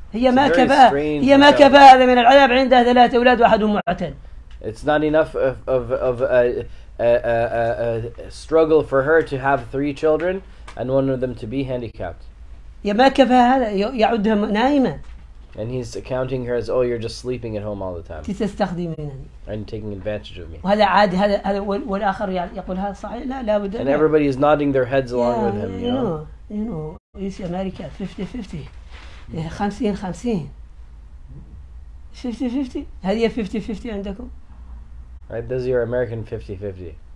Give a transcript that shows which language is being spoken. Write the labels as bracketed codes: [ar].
[ar] هي ما كفى، هي ما كفى هذا من العذاب عنده ثلاثة أولاد واحد معتل. [en] It's not enough of a struggle for her to have three children and one of them to be handicapped. [ar] يا ما كفى هذا، يعدها نائمة. [en] And he's accounting her as, oh, you're just sleeping at home all the time. [ar] تستخدمينني. [en] And taking advantage of me. [ar] وهذا عادي، هذا والآخر يقول هذا صحيح، لا لا بد. [en] And everybody is nodding their heads along with him, you know. You know, it's America, 50-50. 50-50. 50-50. [ar] هل هي 50-50 عندكم؟ [en] Right, this is your American 50-50.